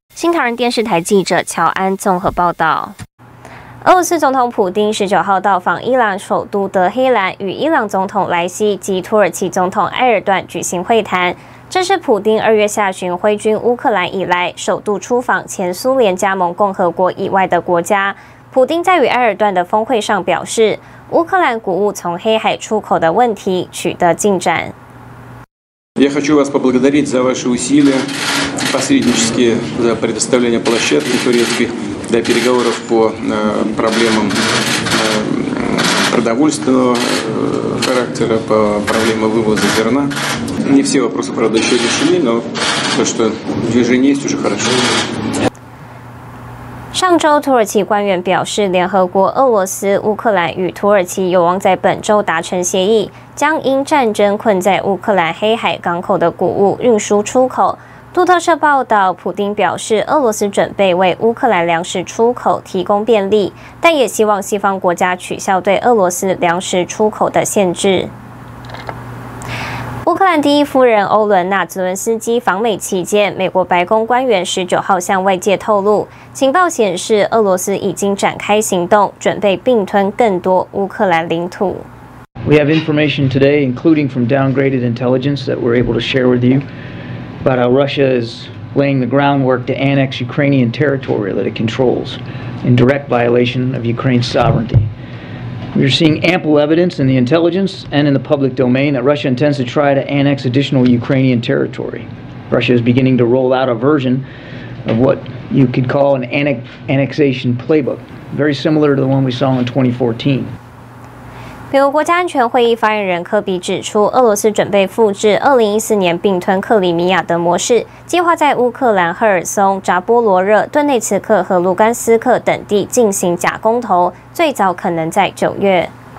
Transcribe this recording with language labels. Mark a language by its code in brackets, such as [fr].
[zh] 新唐人电视台记者乔安综合报道。俄罗斯总统普丁19号到访伊朗首都德黑兰，与伊朗总统莱西及土耳其总统埃尔段举行会谈。这是普丁2月下旬挥军乌克兰以来，首度出访前苏联加盟共和国以外的国家。普丁在与埃尔段的峰会上表示，乌克兰谷物从黑海出口的问题取得进展。 [ru] Я хочу вас поблагодарить за ваши усилия посреднические за предоставление площадки турецких. Для переговоров по проблемам продовольственного характера, по проблемам вывоза зерна. Не все вопросы, правда, еще решены, но то, что движение есть, уже хорошо. [zh] 上周，土耳其官员表示，联合国、俄罗斯、乌克兰与土耳其有望在本周达成协议，将因战争困在乌克兰黑海港口的谷物运输出口。路透社报道，普丁表示，俄罗斯准备为乌克兰粮食出口提供便利，但也希望西方国家取消对俄罗斯粮食出口的限制。乌克兰第一夫人欧伦娜·泽伦斯基访美期间，美国白宫官员19号向外界透露，情报显示俄罗斯已经展开行动，准备并吞更多乌克兰领土。 [en] We have information today, including from downgraded intelligence that we're able to share with you. About how Russia is laying the groundwork to annex Ukrainian territory that it controls in direct violation of Ukraine's sovereignty. We're seeing ample evidence in the intelligence and in the public domain that Russia intends to try to annex additional Ukrainian territory. Russia is beginning to roll out a version of what you could call an annexation playbook, very similar to the one we saw in 2014. [zh] 美国国家安全会议发言人科比指出，俄罗斯准备复制2014年并吞克里米亚的模式，计划在乌克兰赫尔松、扎波罗热、顿内茨克和卢甘斯克等地进行假公投，最早可能在9月。